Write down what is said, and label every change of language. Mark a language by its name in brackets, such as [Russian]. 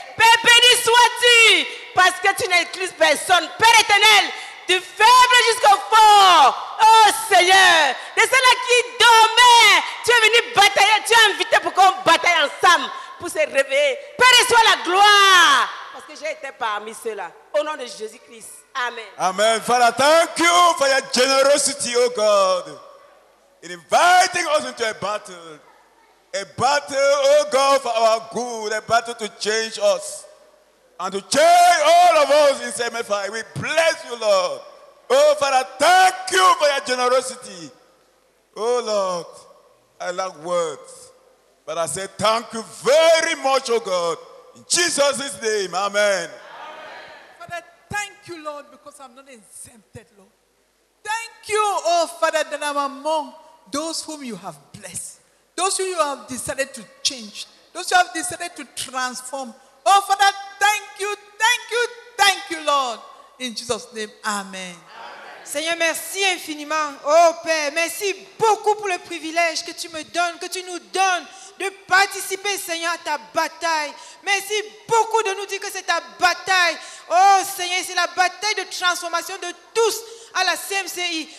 [French] Père, béni sois-tu, parce que tu n'excluses personne. Père éternel, du faible jusqu'au fort. Oh Seigneur, de ceux-là qui dormaient, tu es venu batailler, tu es invité pour qu'on bataille ensemble, pour se réveiller. Père, sois la gloire, parce que j'ai été parmi ceux-là. Au nom de Jésus-Christ. Amen. Amen. [English] Father, thank you for your generosity, oh God. In inviting us into a battle, oh God, for our good, a battle to change us and to change all of us in semi-fi. We bless you, Lord. Oh, Father, thank you for your generosity. Oh, Lord, I lack words, but I say thank you very much, oh God. In Jesus' name, amen. Amen. Father, thank you, Lord, because I'm not exempted, Lord. Thank you, oh, Father, that I'm among those whom you have blessed, those who you have decided to change, those who have decided to transform. Oh, Father, thank you, thank you, thank you, Lord. In Jesus' name, amen. [French] Seigneur, merci infiniment. Oh, Père, merci beaucoup pour le privilège que tu me donnes, que tu nous donnes de participer, Seigneur, à ta bataille. Merci beaucoup de nous dire que c'est ta bataille. Oh, Seigneur, c'est la bataille de transformation de tous à la CMCI.